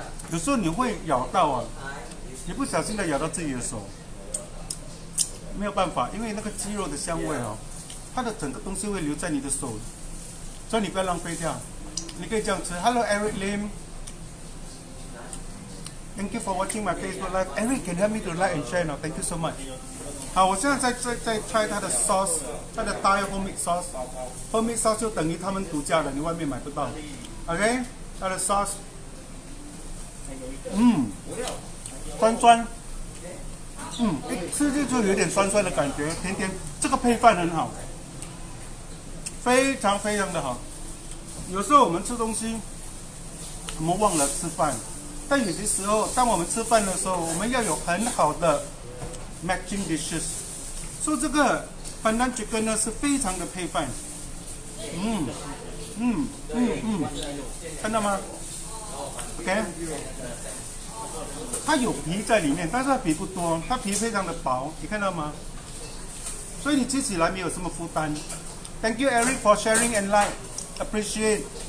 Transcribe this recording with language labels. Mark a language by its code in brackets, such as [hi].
[zh] 有时候你会咬到啊，你不小心的咬到自己的手，没有办法，因为那个鸡肉的香味哦，它的整个东西会留在你的手，所以你不要浪费掉，你可以这样吃。 [en] Hello Eric Lim, thank you for watching my Facebook live. Eric, can you help me to like and share? No, thank you so much. [zh] 好，我现在在 try 它的 sauce, 它的 Thai homemade sauce, homemade sauce 就等于他们独家的，你外面买不到。 OK, 它的 sauce。酸酸，一吃就就有点酸酸的感觉，甜甜。这个配饭很好，非常非常的好。有时候我们吃东西，我们忘了吃饭，但有些时候，当我们吃饭的时候，我们要有很好的 matching dishes。所以这个粉嫩鸡根呢，是非常的配饭。看到吗？OK, 它有皮在里面，但是它皮不多，它皮非常的薄，你看到吗？所以你吃起来没有什么负担。 [en] Thank you, Eric, for sharing and like, appreciate.